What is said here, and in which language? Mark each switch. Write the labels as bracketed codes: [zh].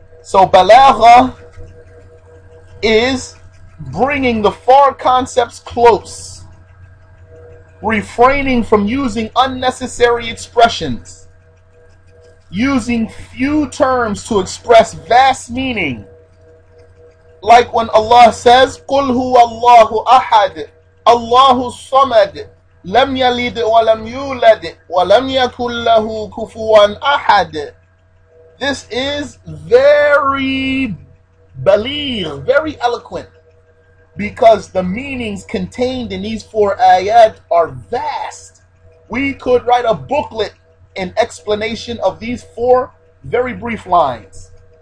[en] So balagha is bringing the far concepts close, refraining from using unnecessary expressions, using few terms to express vast meaning. Like when Allah says, [ar] قُلْ هُوَ اللَّهُ أَحَدٍ اللَّهُ الصَّمَدٍ لَمْ يَلِدْ وَلَمْ يُولَدْ وَلَمْ يَكُلْ لَهُ كُفُوًا أَحَدٍ. [en] This is very baligh, very eloquent, because the meanings contained in these four ayat are vast. We could write a booklet in explanation of these four very brief lines.